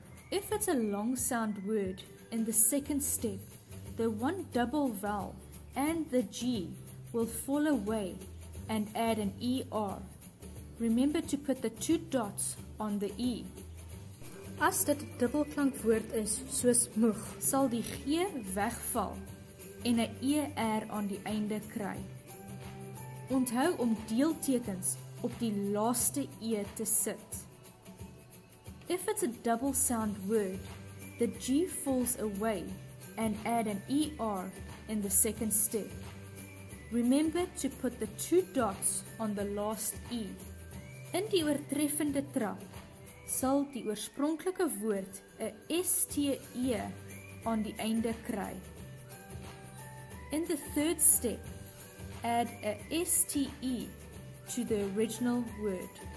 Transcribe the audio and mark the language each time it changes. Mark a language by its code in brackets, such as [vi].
[en] If it's a long sound word, in the second step, the one double vowel and the G will fall away and add an ER. Remember to put the two dots on the E. [af] As dit 'n dubbelklankwoord is, soos moeg, sal die G wegval en 'n ER aan die einde kry. Onthou om deeltekens op die laaste E te sit. [en] If it's a double sound word, the G falls away and add an ER in the second step. Remember to put the two dots on the last E. [af] In die oortreffende trap sal die oorspronklike woord 'n STE aan die einde kry. [en] In the third step, add a STE to the original word.